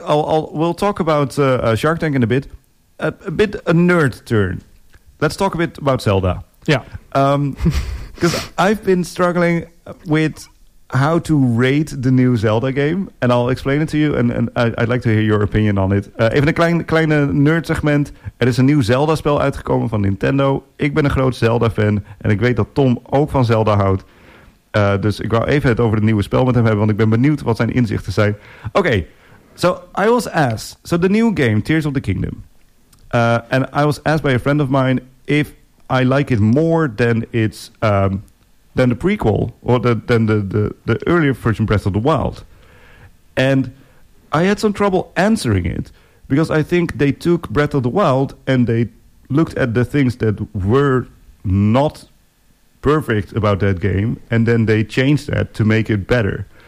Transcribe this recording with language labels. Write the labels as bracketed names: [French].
[English] We'll talk about Shark Tank in a bit. A bit a nerd turn. Let's talk a bit about Zelda. Yeah. Because I've been struggling with how to rate the new Zelda game. And I'll explain it to you. And I'd like to hear your opinion on it. [Dutch] Even een kleine nerd segment. Er is een nieuw Zelda spel uitgekomen van Nintendo. Ik ben een groot Zelda fan. En ik weet dat Tom ook van Zelda houdt. Dus ik wou even het over het nieuwe spel met hem hebben. Want ik ben benieuwd wat zijn inzichten zijn. [English] Okay, so I was asked. So the new game, Tears of the Kingdom. And I was asked by a friend of mine if I like it more than its than the prequel or than the earlier version Breath of the Wild. And I had some trouble answering it because I think they took Breath of the Wild and they looked at the things that were not perfect about that game and then they changed that to make it better.